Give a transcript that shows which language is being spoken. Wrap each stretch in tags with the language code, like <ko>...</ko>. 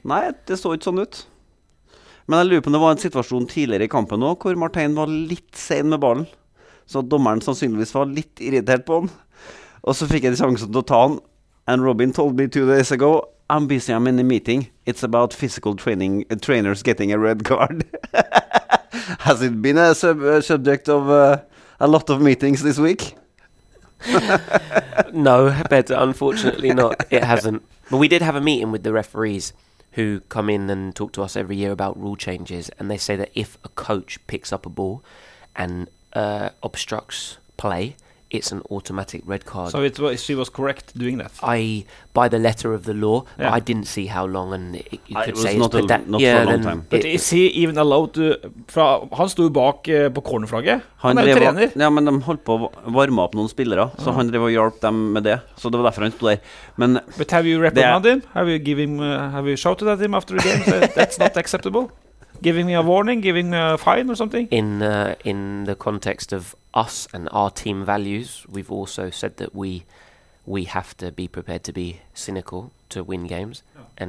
<no>Nei, det så ikke sånn ut Men jeg lurer på om det var en situasjon tidligere I kampen nå Hvor Martin var litt sen med ballen Så dommeren sannsynligvis var litt irritert på han Og så fikk jeg sjansen til å ta han</no> <en>And Robin told me 2 days ago I'm busy, I'm in a meeting It's about physical training Trainers getting a red card Has it been a subject of A lot of meetings this week? No, but unfortunately not It hasn't But we did have a meeting with the referees Who come in and talk to us every year About rule changes And they say that if a coach picks up a ball And obstructs play it's an automatic red card. So it was, she was correct doing that? By the letter of the law, yeah. I didn't see how long, and it, you could it say It was not, it's, a, that, not yeah, for a long time. But is he even allowed to...</en> <no>Fra, han stod bak på cornerflagget. Han er jo trener. Ja, men de holdt på å varme opp noen spillere, så han drev å hjelpe dem med det. Så det var derfor han stod der. Men,</no> <en>but have you reprimanded him? Have you given him, have you shouted at him after the game? So that's not acceptable? Giving me a warning, giving me a fine or something? In the context of us and our team values, we've also said that we have to be prepared to be cynical to win games. Yeah.</en>